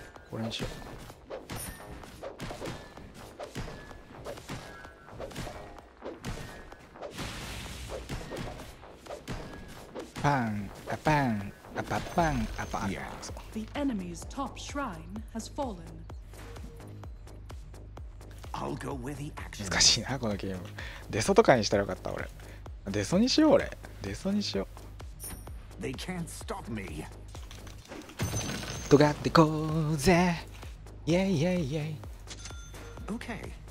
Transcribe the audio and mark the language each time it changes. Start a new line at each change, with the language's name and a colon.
Japanese: これにしよう。パンアパンアパパンアパン。
English: The enemy's top shrine has fallen.
Japanese: 難しいなこのゲーム。デソとかにしたらよかった俺。デソにしよう俺。デソにしよう。
English: They can't stop me.
Japanese: 尖ってこうぜ。イェイイェイイェイ。
English: Okay.